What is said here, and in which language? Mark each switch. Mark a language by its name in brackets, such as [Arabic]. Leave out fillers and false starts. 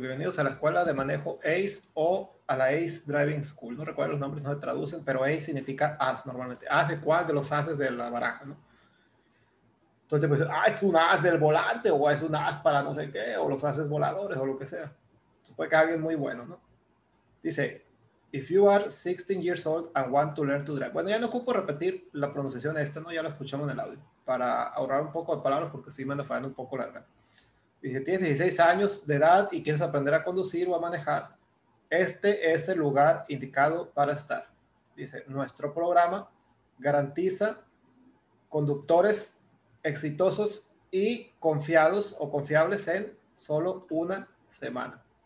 [Spanish] Bienvenidos a la escuela de manejo ACE o a la ACE Driving School. No recuerdo los nombres, no se traducen, pero ACE significa AS normalmente. ¿AS de cuál de los ases de la baraja, no? Entonces, pues, ah, es un as del volante o es un as para no sé qué, o los ases voladores o lo que sea. Entonces, puede que alguien muy bueno, ¿no? Dice, [English] If you are 16 years old and want to learn to drive. [Spanish] Bueno, ya no ocupo repetir la pronunciación esta, ¿no? Ya la escuchamos en el audio. Para ahorrar un poco de palabras, porque sí me anda fallando un poco la verdad. Dice, tienes 16 años de edad y quieres aprender a conducir o a manejar. Este es el lugar indicado para estar. Dice, nuestro programa garantiza conductores exitosos y confiados o confiables en solo una semana.